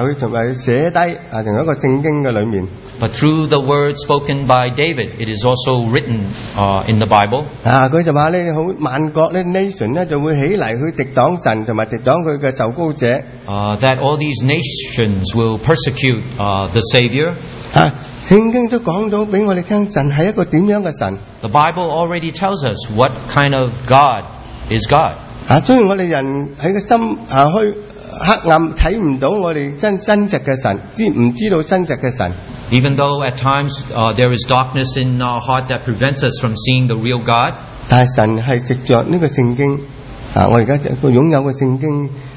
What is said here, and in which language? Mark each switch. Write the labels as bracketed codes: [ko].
[zh] 他特意透过大卫的口,写下,在一个圣经里面, [en] but through the word spoken by David, it is also written in the Bible. [zh] 他就说,万国的nation就会起来去敌挡神和敌挡他的受膏者, [en] that all these nations will persecute the Savior. [zh] 圣经都讲到给我们听,神是一个怎样的神, [en] the Bible already tells us what kind of God is God. [zh] 虽然我们人在心里看不到我们真实的神,知不知道真实的神, [en] even though at times there is darkness in our heart that prevents us from seeing the real God, [zh] 但神是藉着这个圣经, 我现在拥有的圣经,